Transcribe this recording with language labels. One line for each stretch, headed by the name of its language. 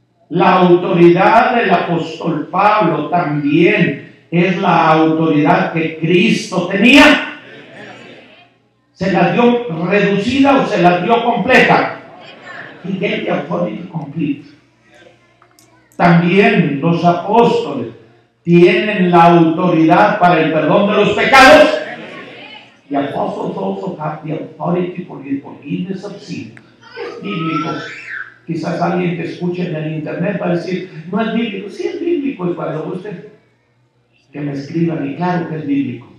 Spanish: La autoridad del apóstol Pablo también es la autoridad que Cristo tenía. ¿Se la dio reducida o se la dio completa?
English: He gave the authority complete.
Spanish: También los apóstoles tienen la autoridad para el perdón de los pecados.
English: The apostles also have the authority for the forgiveness of sin.
Spanish: Es bíblico. Quizás alguien que escuche en el internet va a decir, no es bíblico. Sí es bíblico, es cuando usted que me escriba, y claro que es bíblico.